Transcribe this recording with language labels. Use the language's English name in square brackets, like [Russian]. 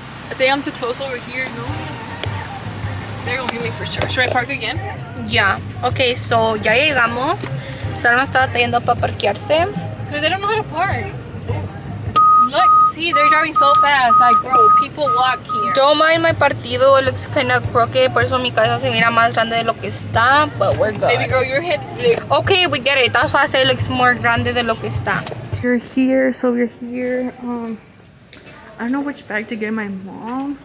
[English] I think I'm too close over here. No, they're gonna hit me for sure. Should I park again? Yeah. Okay. So [Spanish] ya llegamos. Sarah estaba trayendo para parquearse. [English] Cause they don't know how to park. Look, see, they're driving so fast. Like, bro, people walk here. Don't mind my partido. It looks kind of crooked. [Spanish] Por eso mi casa se mira más grande de lo que está. [English] But we're good. Baby girl, your head. Okay, we get it. That's why I say it looks more [Spanish] grande de lo que está. [English] You're here, so you're here. I don't know which bag to get my mom.